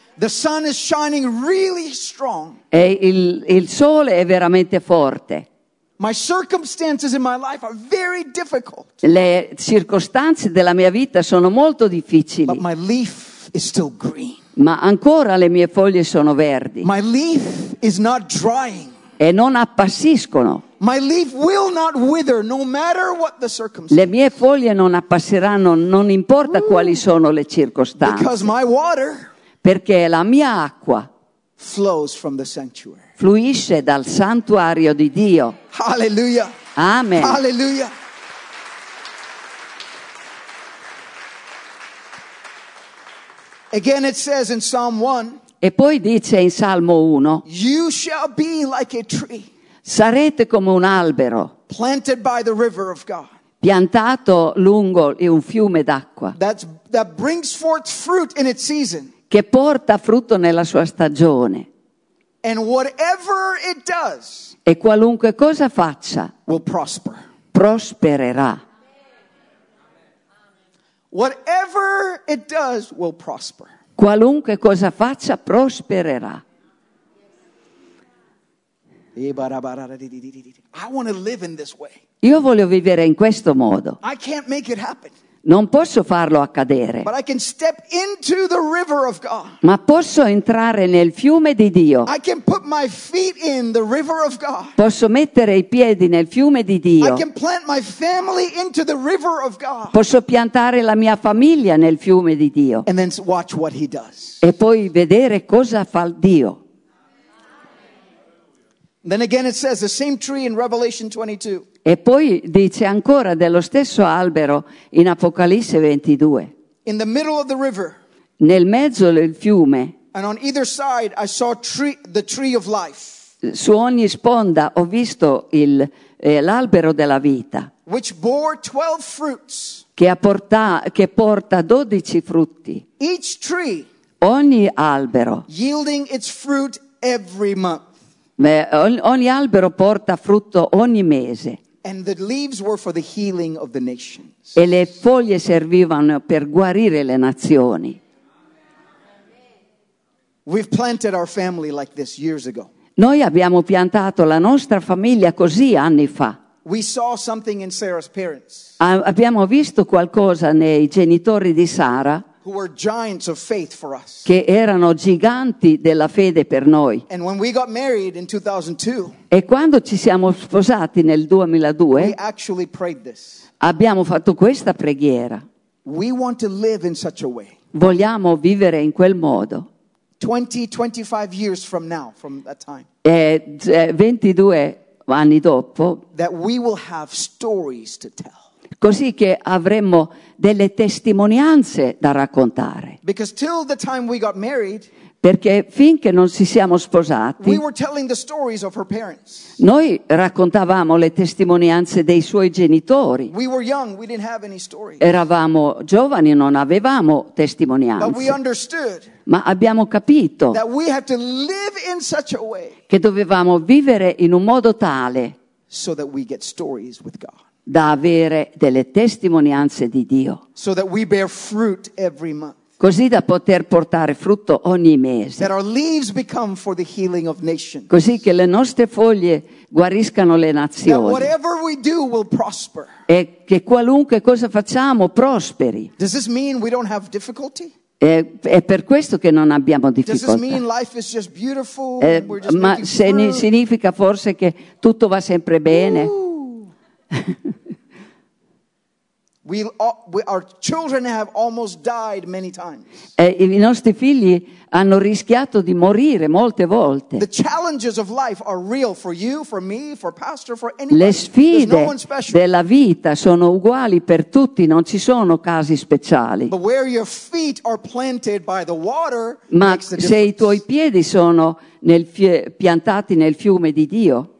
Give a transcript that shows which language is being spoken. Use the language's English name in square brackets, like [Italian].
[English] The sun is shining really strong. [Italian] E il sole è veramente forte. [English] My circumstances in my life are very difficult. [Italian] Le circostanze della mia vita sono molto difficili. [English] But my leaf is still green. [Italian] Ma ancora le mie foglie sono verdi. [English] My leaf is not drying. [Italian] E non appassiscono. [English] My leaf will not wither, no matter what the circumstances. [Italian] Le mie foglie non appassiranno, non importa quali sono le circostanze. [English] Because my water, [Italian] perché la mia acqua [English] flows from the sanctuary. [Italian] Fluisce dal santuario di Dio. Alleluia. Amen. Alleluia. [English] Again it says in Psalm 1. [Italian] E poi dice in Salmo 1. [English] You shall be like a tree. [Italian] Sarete come un albero. [English] Planted by the river of God. [Italian] Piantato lungo un fiume d'acqua. [English] That brings forth fruit in its season. [Italian] Che porta frutto nella sua stagione. [English] And whatever it does. [Italian] E qualunque cosa faccia. [English] Will prosper. [Italian] Prospererà. [English] Whatever it does will prosper. [Italian] Qualunque cosa faccia prospererà. [English] I want to live in this way. [Italian] Io voglio vivere in questo modo. [English] I can't make it happen. [Italian] Non posso farlo accadere. [English] But I can step into the river of God. [Italian] Ma posso entrare nel fiume di Dio. [English] I can put my feet in the river of God. [Italian] Posso mettere i piedi nel fiume di Dio. [English] I can plant my family into the river of God. [Italian] Posso piantare la mia famiglia nel fiume di Dio. [English] And then watch what he does. [Italian] E poi vedere cosa fa Dio. [English] Then again it says the same tree in Revelation 22. [Italian] E poi dice ancora dello stesso albero in Apocalisse 22. [English] In the middle of the river. [Italian] Nel mezzo del fiume. [English] And on either side I saw the tree of life. [Italian] Su ogni sponda ho visto l'albero della vita. [English] Which bore 12 fruits. [Italian] Che porta 12 frutti. [English] Each tree. [Italian] Ogni albero. [English] Yielding its fruit every month. [Italian] Ogni albero porta frutto ogni mese. [English] And the leaves were for the healing of the nations. [Italian] E le foglie servivano per guarire le nazioni. [English] We've planted our family like this years ago. [Italian] Noi abbiamo piantato la nostra famiglia così anni fa. [English] We saw something in Sarah's parents. [Italian] Abbiamo visto qualcosa nei genitori di Sara. [English] Who were giants of faith for us. [Italian] Che erano giganti della fede per noi. [English] And when we got married in 2002, [Italian] e quando ci siamo sposati nel 2002, [English] we actually prayed this. [Italian] Abbiamo fatto questa preghiera. [English] We want to live in such a way. [Italian] Vogliamo vivere in quel modo. [English] 20-25 years from now, from that time. [Italian] 22 anni dopo. [English] That we will have stories to tell. [Italian] Così che avremmo delle testimonianze da raccontare. [English] Because till the time we got married, [Italian] perché finché non ci siamo sposati, [English] we were telling the stories of her parents. [Italian] Noi raccontavamo le testimonianze dei suoi genitori. [English] We were young, we didn't have any stories. [Italian] Eravamo giovani, non avevamo testimonianze. [English] But we understood. [Italian] Ma abbiamo capito [English] that we have to live in such a way. [Italian] Che dovevamo vivere in un modo tale [English] so that we get stories with God. [Italian] Da avere delle testimonianze di Dio. [English] So that we bear fruit every month. [Italian] Così da poter portare frutto ogni mese. [English] That our leaves become for the healing of nations. [Italian] Così che le nostre foglie guariscano le nazioni. [English] That whatever we do will prosper. [Italian] E che qualunque cosa facciamo prosperi. [English] Does this mean we don't have difficulty? [Italian] È per questo che non abbiamo difficoltà. [English] Does this mean life is just beautiful? [Italian] Ma significa forse che tutto va sempre bene? Ooh. [English] our children have almost died many times. [Italian] I nostri figli hanno rischiato di morire molte volte. [English] The challenges of life are real for you, for me, for pastor, for anybody. [Italian] Le sfide della vita sono uguali per tutti, non ci sono casi speciali. [English] But where your feet are planted by the water, [Italian] ma [English] makes the [Italian] se i tuoi piedi sono piantati nel fiume di Dio.